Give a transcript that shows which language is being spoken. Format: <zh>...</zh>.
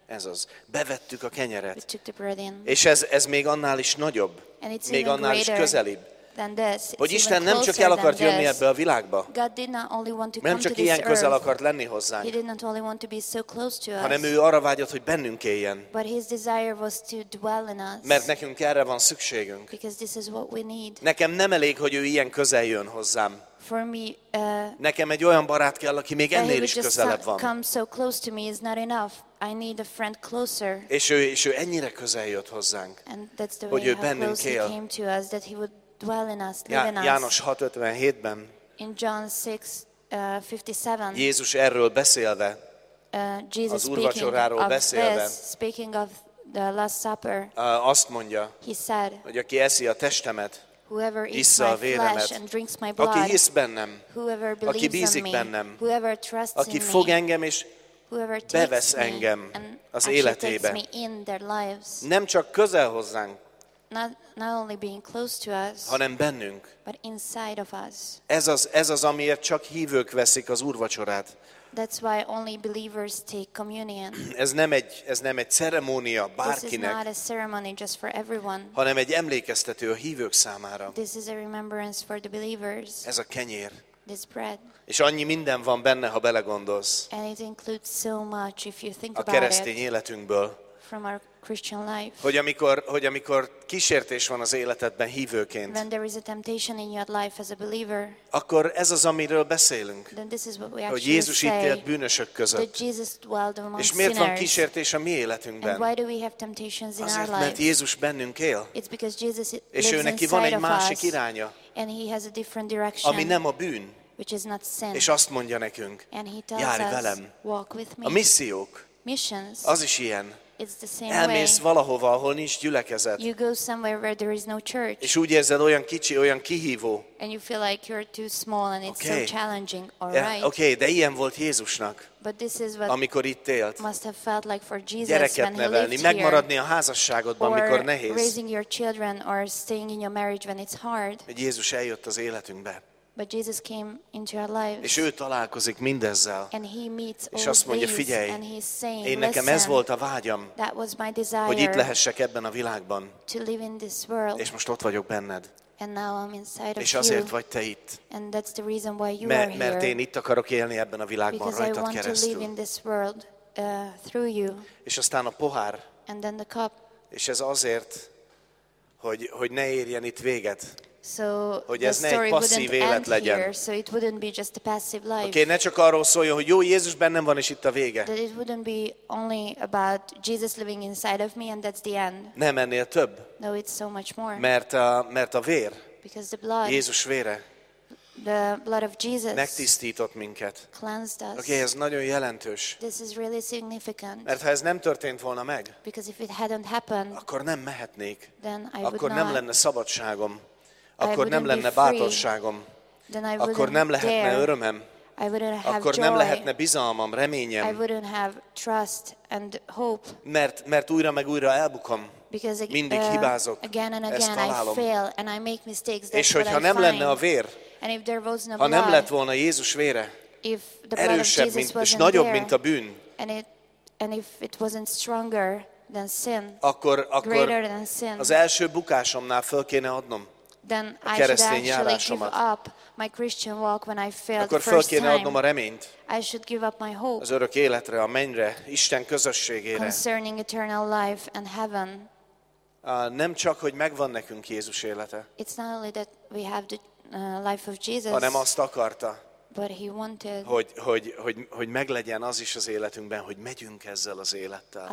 <hu>Ez az. Bevettük a kenyeret.</hu> <en>We took the bread in.</en> <hu>És ez még annál is nagyobb.</hu> <en>And it's</en> <hu>még</hu> <en>even</en> <hu>annál</hu> <en>greater</en> <hu>is közelibb.</hu> <en>Than this.</en> <hu>Hogy Isten nem csak el akart jönni ebbe a világba.</hu> <en>God did not only want to</en> <hu>nem csak</hu> <en>come to</en> <hu>ilyen</hu> <en>this</en> <hu>közel</hu> <en>earth,</en> <hu>akart lenni hozzánk.</hu> <en>He did not only want to be so close to us.</en> <hu>Hanem ő arra vágyott, hogy bennünk éljen.</hu> <en>But his desire was to dwell in us.</en> <hu>Mert nekünk erre van szükségünk.</hu> <en>Because this is what we need.</en> <hu>Nekem nem elég, hogy ő ilyen közel jön hozzám.</hu> <en>For me,</en> <hu>nekem egy olyan barát kell, aki még ennél is közelebb van.</hu> <en>Come so close to me is not enough. I need a friend closer.</en> <hu>És ő ennyire közel jött hozzánk.</hu> <en>And that's the</en> <hu>hogy</hu> <en>way</en> <hu>ő bennünk</hu> <en>close</en> <hu>él.</hu> <en>He came to us, that he would dwell in us, live in us.</en> <hu>János 6:57-ben.</hu> <en>In John 6:57.</en> <hu>Jézus erről beszélve.</hu> <en>Jesus</en> <hu>az úrvacsoráról beszélve.</hu> <en>This, speaking of the last supper.</en> <hu>Azt mondja.</hu> <en>He said,</en> <hu>hogy aki eszi a testemet,</hu> <en>whoever eats my flesh and drinks my blood,</en> <hu>aki hisz bennem,</hu> <en>whoever believes in me,</en> <hu>bennem,</hu> <en>whoever trusts</en> <hu>aki</hu> <en>in</en> <hu>fog</hu> <en>me,</en> <hu>engem és</hu> <en>whoever</en> <hu>bevesz</hu> <en>takes</en> <hu>engem</hu> <en>me</en> <hu>az életébe,</hu> <en>in their lives,</en> <hu>nem csak közel hozzánk,</hu> <en>not only being close to us,</en> <hu>hanem bennünk.</hu> <en>But inside of us.</en> <hu>Ez az, amiért csak hívők veszik az úrvacsorát.</hu> <en>That's why only believers take communion.</en> <hu>Ez nem egy ceremónia bárkinek.</hu> <en>This is not a ceremony just for everyone.</en> <hu>Hanem egy emlékeztető a hívők számára.</hu> <en>This is a remembrance for the believers.</en> <hu>Ez a kenyér.</hu> <en>This bread.</en> <hu>És annyi minden van benne, ha belegondolsz.</hu> <en>And it includes so much if you think about it.</en> <hu>A keresztény életünkből.</hu> <en>From our Christian life.</en> <hu>Hogy amikor kísértés van az életedben hívőként.</hu> <en>When there is a temptation in your life as a believer.</en> <hu>Akkor ez az, amiről beszélünk.</hu> <en>Then this is what we actually Jézus say.</en> <hu>Hogy Jézus itt élt bűnösök között.</hu> <en>That Jesus dwelled among sinners.</en> <hu>És miért van kísértés a mi életünkben?</hu> <en>And why do we have temptations in</en> <hu>Azért,</hu> <en>our life?</en> <hu>Mert Jézus bennünk él.</hu> <en>It's because Jesus lives inside of us.</en> <hu>És őneki van egy másik iránya.</hu> <en>And he has a different direction.</en> <hu>Ami nem a bűn.</hu> <en>Which is not sin.</en> <hu>És azt mondja nekünk.</hu> <en>And he tells</en> <hu>járj</hu> <en>us,</en> <hu>velem.</hu> <en>Walk with me.</en> <hu>A missziók.</hu> <en>Missions.</en> <hu>Az is ilyen.</hu> <en>It's the same</en> <hu>elmész</hu> <en>way.</en> <hu>Valahova, ahol nincs gyülekezet.</hu> <en>You go somewhere where there is no church.</en> <hu>És úgy érzed, olyan kicsi, olyan kihívó.</hu> <en>And you feel like you're too small and it's okay. So challenging, all yeah. Right.</en> <hu>Okay, de ilyen volt Jézusnak.</hu> <en>But this is what</en> <hu>amikor itt élt.</hu> <en>Must have felt like for Jesus</en> <hu>gyereket</hu> <en>when</en> <hu>nevelni,</hu> <en>he lived</en> <hu>megmaradni</hu> <en>here.</en> <hu>A házasságodban, amikor nehéz.</hu> <en>Or raising your children or staying in your marriage when it's hard.</en> <hu>Hogy Jézus eljött az életünkbe.</hu> <en>But Jesus came into our lives.</en> <hu>És ő találkozik mindezzel.</hu> <en>And he meets</en> <hu>és azt mondja, figyelj,</hu> <en>and he's saying,</en> <hu>én nekem ez volt a vágyam,</hu> <en>that was my desire,</en> <hu>hogy itt lehessek ebben a világban.</hu> <en>To live in this world.</en> <hu>És most ott vagyok benned.</hu> <en>And now I'm inside</en> <hu>és</hu> <en>of</en> <hu>azért</hu> <en>you.</en> <hu>Vagy te itt.</hu> <en>And that's the reason why you</en> <hu>mert,</hu> <en>are</en> <hu>mert</hu> <en>here.</en> <hu>Én itt akarok élni ebben a világban</hu> <en>because</en> <hu>rajtad</hu> <en>I want</en> <hu>keresztül.</hu> <en>To live in this world, through you.</en> <hu>És aztán a pohár.</hu> <en>And then the cup.</en> <hu>És ez azért, hogy ne érjen itt véget.</hu> <en>So</en> <hu>hogy ez</hu> <en>the story</en> <hu>ne egy passzív élet legyen.</hu> <en>Here, so it wouldn't be just a passive life.</en> <hu>Okay, ne csak arról szóljon, hogy jó, Jézus bennem van, és itt a vége.</hu> <en>That it wouldn't be only about Jesus living inside of me and that's the end.</en> <hu>Nem, ennél több.</hu> <en>No, it's so much more.</en> <hu>Mert a vér.</hu> <en>Because the blood.</en> <hu>Jézus vére.</hu> <en>The blood of Jesus.</en> <hu>Megtisztított minket.</hu> <en>Cleansed us.</en> <hu>Okay, ez nagyon jelentős.</hu> <en>This is really significant.</en> <hu>Mert ha ez nem történt volna meg.</hu> <en>Because if it hadn't happened.</en> <hu>Akkor nem mehetnék.</hu> <en>Then I</en> <hu>akkor</hu> <en>would</en> <hu>nem</hu> <en>not.</en> <hu>Lenne szabadságom. Akkor nem lenne bátorságom.</hu> <en>Then I</en> <hu>akkor nem lehetne</hu> <en>dare.</en> <hu>Örömem.</hu> <en>I wouldn't have</en> <hu>akkor</hu> <en>joy.</en> <hu>Nem lehetne bizalmam, reményem.</hu> <en>I wouldn't have trust and hope.</en> <hu>Mert újra meg újra elbukom.</hu> <en>Because</en> <hu>mindig hibázok.</hu> <en>Again and again I fail and I make mistakes.</en> <hu>És hogyha nem lenne a vér,</hu> <en>and if there was no</en> <hu>ha nem lett volna Jézus vére,</hu> <en>if the blood</en> <hu>erősebb,</hu> <en>of Jesus</en> <hu>mint,</hu> <en>wasn't</en> <hu>és nagyobb,</hu> <en>there,</en> <hu>mint a bűn,</hu> <en>and if it wasn't stronger than sin,</en> <hu>akkor</hu> <en>greater than sin,</en> <hu>az első bukásomnál föl kéne adnom.</hu> <en>Then I should actually give up my Christian walk when I failed</en> <hu>akkor</hu> <en>the first</en> <hu>kéne</hu> <en>time.</en> <hu>Adnom a reményt.</hu> <en>I should give up my hope.</en> <hu>Az örök életre, a mennyre, Isten közösségére.</hu> <en>Concerning eternal life and heaven.</en> <hu>Nem csak hogy megvan nekünk Jézus élete.</hu> <en>It's not only that we have the life of Jesus.</en> <hu>Hanem azt akarta.</hu> <en>But he wanted.</en> <hu>Hogy meglegyen az is az életünkben, hogy megyünk ezzel az élettel.</hu>